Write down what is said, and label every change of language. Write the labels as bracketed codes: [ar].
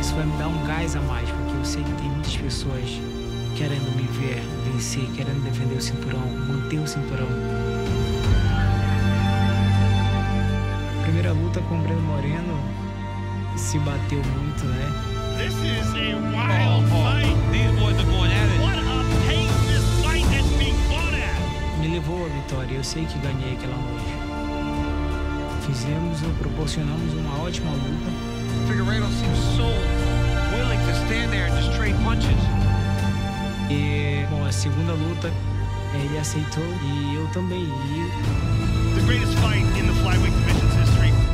[pt] Isso vai me dar um gás a mais, porque eu sei que tem muitas pessoas querendo me ver vencer, querendo defender o cinturão, manter o cinturão. Primeira luta com o Breno Moreno, se bateu muito, né? [en] This is a wild fight. These boys are going at it. What a pace this fight has been fought at. [pt] Me levou a vitória. Eu sei que ganhei aquela noite. Fizemos e proporcionamos uma ótima luta. [en] Figueiredo seems so willing to stand there and just trade punches. [pt] E, bom, a segunda luta, ele aceitou e eu também. [en] The greatest fight in the flyweight division's history.